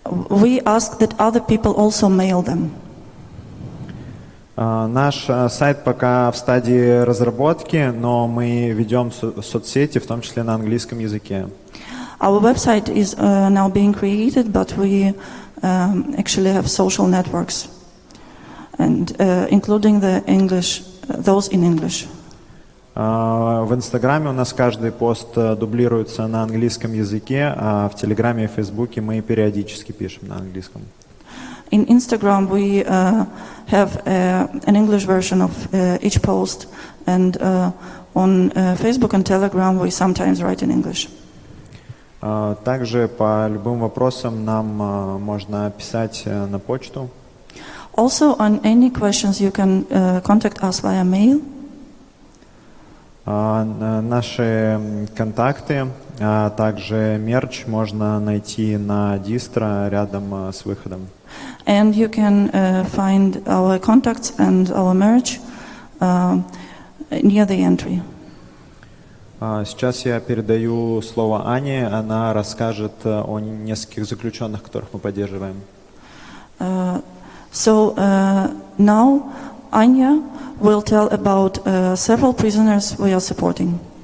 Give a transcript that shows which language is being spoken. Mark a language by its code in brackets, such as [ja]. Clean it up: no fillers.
[en] We ask that other people also mail them. [ru] Наш сайт пока в стадии разработки, но мы ведем соцсети, в том числе на английском языке. [en] Our website is now being created, but we actually have social networks, and including the English, those in English. [ru] В Инстаграме у нас каждый пост дублируется на английском языке, а в Телеграме и Фейсбуке мы периодически пишем на английском. [en] In Instagram we have an English version of each post, and on Facebook and Telegram we sometimes write in English. [ru] Также по любым вопросам нам можно писать на почту. [en] Also, on any questions you can contact us via mail. [ru] Наши контакты, а также мерч можно найти на Distro рядом с выходом. [en] And you can find our contacts and our merch near the entry. [ru] Сейчас я передаю слово Ане, она расскажет о нескольких заключенных, которых мы поддерживаем. [en] Now Аня will tell about several prisoners we are supporting.